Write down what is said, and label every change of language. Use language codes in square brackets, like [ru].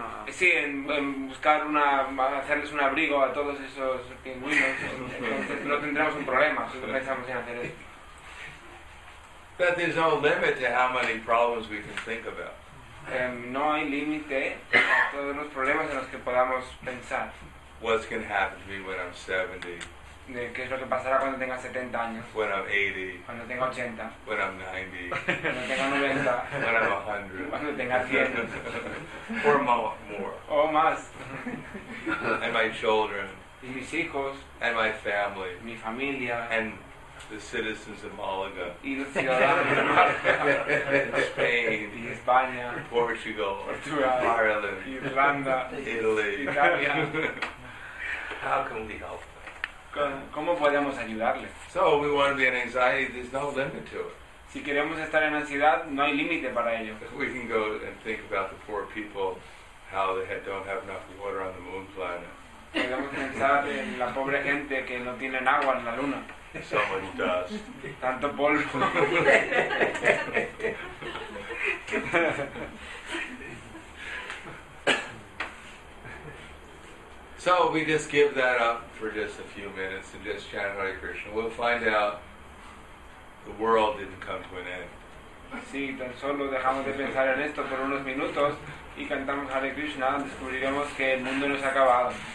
[es] Sí, en buscar una, hacerles un abrigo a todos esos pingüinos, no tendremos un problema si pensamos en hacer eso. [en] That there's no limit to how many problems we can think about. [es] No hay límite a todos los problemas en los que podamos pensar. [en] What's going to happen to me when I'm 70? [es] de qué es lo que pasará cuando tenga 70 años. [en] When I'm 80. [es] Cuando tenga 80. [en] When I'm 90. [es] Cuando tenga 90. [en] When I'm 100. [es] Cuando tenga 100. [en] Or more. [es] O más. [en] And my children. [es] Y mis hijos. [en] And my family. [es] Mi familia. [en] And the citizens of Malaga. [es] Y los ciudadanos de Malaga. [en] Spain. [es] Y España. [en] Portugal. [es] Portugal. [en] Ireland. [es] Irlanda. [en] Italy. [es] Italia. [en] How can we help? [es] ¿Cómo podemos ayudarle? [en] So we want to be in anxiety, there's no limit to it. [es] Si queremos estar en ansiedad, no hay límite para ello. [en] We can go and think about the poor people, how they don't have enough water on the moon planet. [es] Podemos pensar en la pobre gente que no tienen agua en la luna. [en] So much dust. [es] Tanto polvo. [en] So we just give that up for just a few minutes and just chant Hare Krishna. We'll find out the world didn't come to an end. [es] Sí, tan solo dejamos de pensar en esto por unos minutos y cantamos Hare Krishna, descubriremos que el mundo no se ha acabado.